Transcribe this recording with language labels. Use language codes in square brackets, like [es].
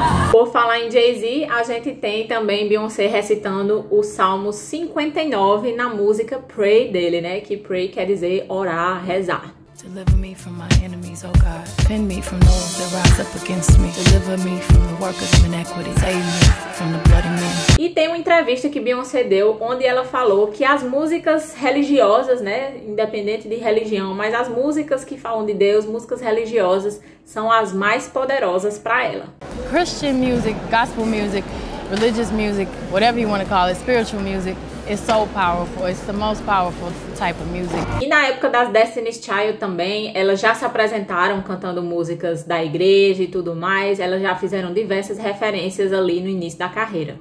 [pt] Por falar em Jay-Z, a gente tem também Beyoncé recitando o Salmo 59 na música Pray dele, né? Que pray quer dizer orar, rezar. [en] Deliver me from my enemies, oh God. Defend me from those that rise up against me. Deliver me from the workers of iniquity. Save me from the bloody men. [pt] E tem uma entrevista que Beyoncé deu, onde ela falou que as músicas religiosas, né, independente de religião, mas as músicas que falam de Deus, músicas religiosas, são as mais poderosas para ela. [en] Christian music, gospel music, religious music, whatever you want to call it, spiritual music. It's so powerful. It's the most powerful type of music. [pt] E na época das Destiny's Child também, elas já se apresentaram cantando músicas da igreja e tudo mais. Elas já fizeram diversas referências ali no início da carreira.